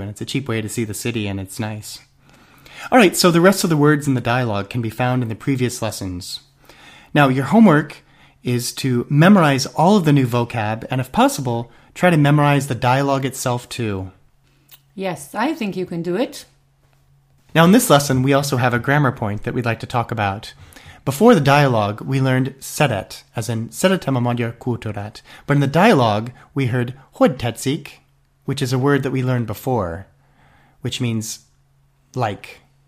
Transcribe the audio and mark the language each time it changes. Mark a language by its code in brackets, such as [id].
[en] And it's a cheap way to see the city, and it's nice. All right, so the rest of the words in the dialogue can be found in the previous lessons. Now, your homework is to memorize all of the new vocab, and if possible, try to memorize the dialogue itself, too. Yes, I think you can do it. Now, in this lesson, we also have a grammar point that we'd like to talk about. Before the dialogue, we learned szeret, as in [hu] szeretem a magyar kultúrát. [en] But in the dialogue, we heard [hu] hogy tetszik, [en] which is a word that we learned before, which means like.